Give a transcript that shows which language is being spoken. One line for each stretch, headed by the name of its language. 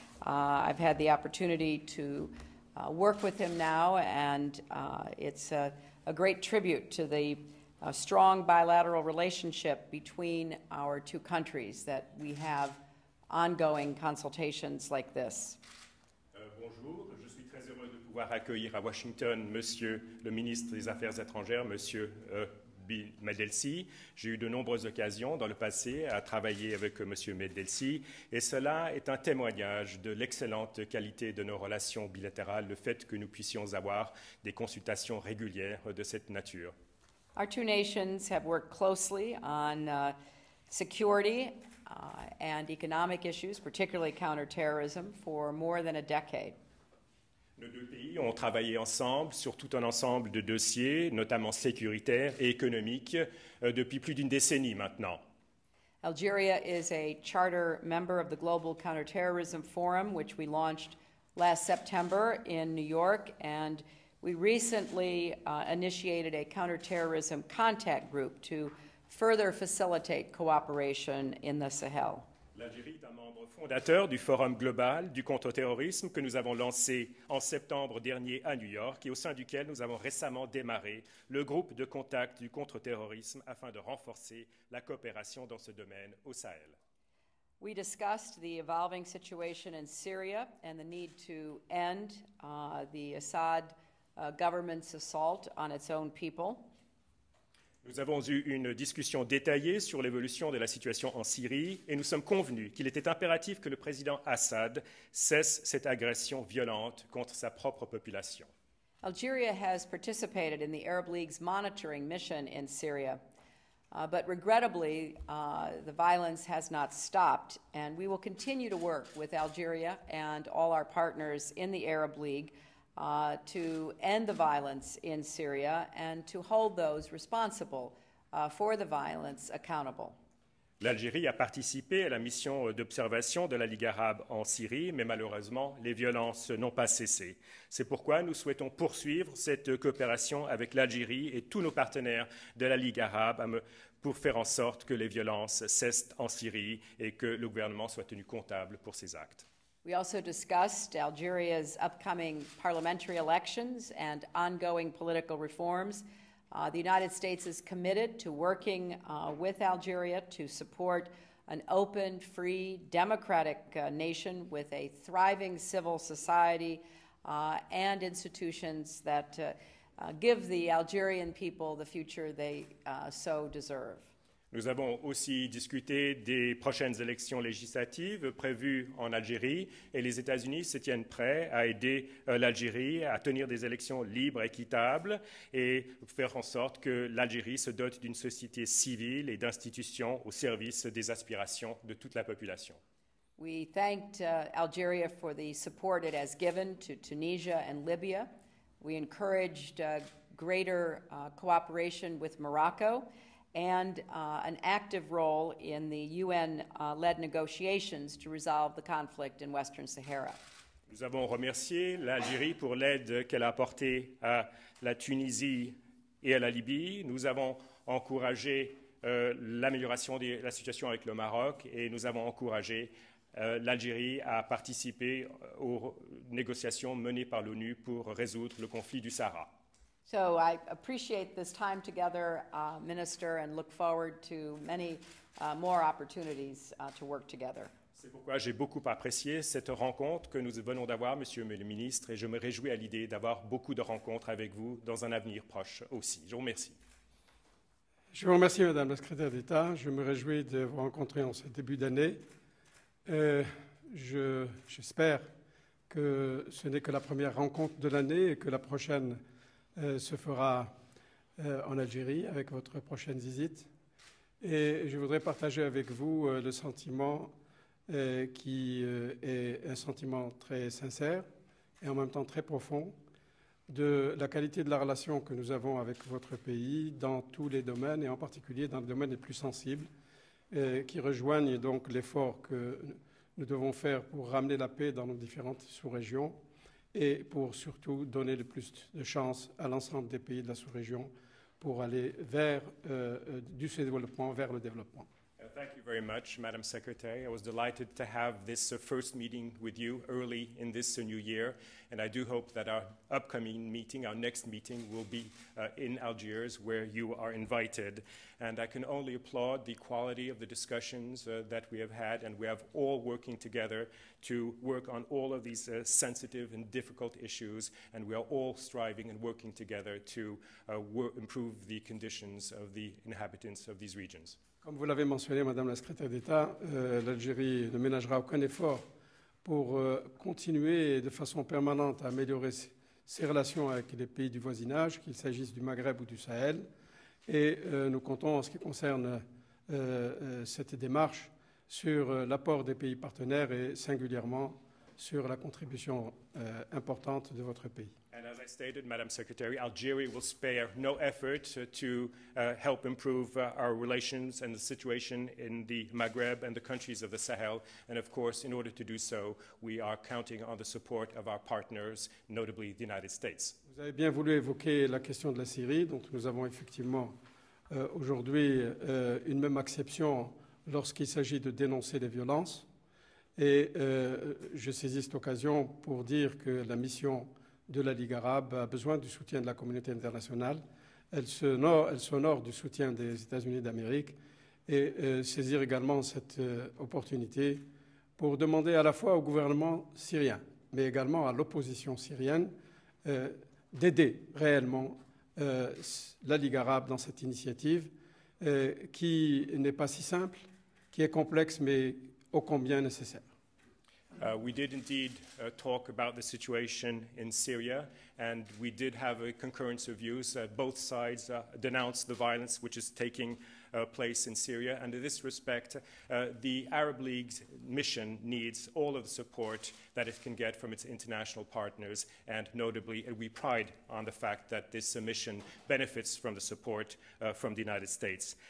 English: I've had the opportunity to work with him now, and it's a great tribute to the strong bilateral relationship between our two countries that we have ongoing consultations like this.
French: Bonjour, je suis très heureux de pouvoir accueillir à Washington Monsieur le ministre des Affaires étrangères, Monsieur Medelci. J'ai eu de nombreuses occasions dans le passé à travailler avec Monsieur Medelci, et cela est un témoignage de l'excellente qualité de nos relations bilatérales, le fait que nous puissions avoir des consultations régulières de cette nature.
English: Our two nations have worked closely on security and economic issues, particularly counterterrorism, for more than a decade.
French: Nos deux pays ont travaillé ensemble sur tout un ensemble de dossiers, notamment sécuritaires et économiques, depuis plus d'une décennie maintenant.
English: Algeria is a charter member of the Global Counterterrorism Forum, which we launched last September in New York, and we recently initiated a counterterrorism contact group to further facilitate cooperation in the Sahel.
French: L'Algérie est un membre fondateur du Forum global du contre-terrorisme que nous avons lancé en septembre dernier à New York et au sein duquel nous avons récemment démarré le groupe de contact du contre-terrorisme afin de renforcer la coopération dans ce domaine au Sahel.
English: We discussed the evolving situation in Syria and the need to end the Assad government's assault on its own people.
French: Nous avons eu une discussion détaillée sur l'évolution de la situation en Syrie et nous sommes convenus qu'il était impératif que le président Assad cesse cette agression violente contre sa propre population.
English: Algeria has participated in the Arab League's monitoring mission in Syria, but regrettably, the violence has not stopped, and we will continue to work with Algeria and all our partners in the Arab League to end the violence in Syria and to hold those responsible for the violence accountable.
French: L'Algérie a participé à la mission d'observation de la Ligue arabe en Syrie, mais malheureusement, les violences n'ont pas cessé. C'est pourquoi nous souhaitons poursuivre cette coopération avec l'Algérie et tous nos partenaires de la Ligue arabe pour faire en sorte que les violences cessent en Syrie et que le gouvernement soit tenu comptable pour ses actes.
English: We also discussed Algeria's upcoming parliamentary elections and ongoing political reforms. The United States is committed to working with Algeria to support an open, free, democratic nation with a thriving civil society and institutions that give the Algerian people the future they so deserve.
French: Nous avons aussi discuté des prochaines élections législatives prévues en Algérie et les États-Unis se tiennent prêts à aider l'Algérie à tenir des élections libres, équitables et faire en sorte que l'Algérie se dote d'une société civile et d'institutions au service des aspirations de toute la population.
English: We thanked Algeria for the support it has given to Tunisia and Libya. We encouraged greater cooperation with Morocco and an active role in the UN-led negotiations to resolve the conflict in Western Sahara.
French: Nous avons remercié l'Algérie pour l'aide qu'elle a apportée à la Tunisie et à la Libye. Nous avons encouragé l'amélioration de la situation avec le Maroc et nous avons encouragé l'Algérie à participer aux négociations menées par l'ONU pour résoudre le conflit du Sahara.
English: So I appreciate this time together, Minister, and look forward to many more opportunities to work together.
French: C'est pourquoi j'ai beaucoup apprécié cette rencontre que nous venons d'avoir, Monsieur le Ministre, et je me réjouis à l'idée d'avoir beaucoup de rencontres avec vous dans un avenir proche aussi. Je vous remercie. Je vous remercie, Madame la Secrétaire d'État. Je me réjouis de vous rencontrer en ce début d'année. J'espère que ce n'est que la première rencontre de l'année et que la prochaine se fera en Algérie avec votre prochaine visite. Et je voudrais partager avec vous le sentiment qui est un sentiment très sincère et en même temps très profond de la qualité de la relation que nous avons avec votre pays dans tous les domaines et en particulier dans les domaines les plus sensibles qui rejoignent donc l'effort que nous devons faire pour ramener la paix dans nos différentes sous-régions et pour surtout donner le plus de chances à l'ensemble des pays de la sous-région pour aller vers du sous-développement vers le développement.
English: Thank you very much, Madam Secretary. I was delighted to have this first meeting with you early in this new year, and I do hope that our upcoming meeting, our next meeting, will be in Algiers, where you are invited. And I can only applaud the quality of the discussions that we have had, and we have all working together to work on all of these sensitive and difficult issues, and we are all striving and working together to improve the conditions of the inhabitants of these regions.
French: Comme vous l'avez mentionné, Madame la Secrétaire d'État, l'Algérie ne ménagera aucun effort pour continuer de façon permanente à améliorer ses relations avec les pays du voisinage, qu'il s'agisse du Maghreb ou du Sahel. Et nous comptons, en ce qui concerne cette démarche, sur l'apport des pays partenaires et singulièrement sur la contribution importante de votre pays.
English: And as I stated, Madam Secretary, Algeria will spare no effort to help improve our relations and the situation in the Maghreb and the countries of the Sahel. And of course, in order to do so, we are counting on the support of our partners, notably the United States.
French: Vous avez bien voulu évoquer la question de la Syrie, donc nous avons effectivement aujourd'hui une même acception lorsqu'il s'agit de dénoncer les violences. Et je saisis cette occasion pour dire que la mission de la Ligue arabe a besoin du soutien de la communauté internationale. Elle s'honore du soutien des États-Unis d'Amérique et saisir également cette opportunité pour demander à la fois au gouvernement syrien, mais également à l'opposition syrienne, d'aider réellement la Ligue arabe dans cette initiative qui n'est pas si simple, qui est complexe, mais ô combien nécessaire.
English: We did indeed talk about the situation in Syria, and we did have a concurrence of views. Both sides denounced the violence which is taking place in Syria. And in this respect, the Arab League's mission needs all of the support that it can get from its international partners, and notably, we pride on the fact that this mission benefits from the support from the United States.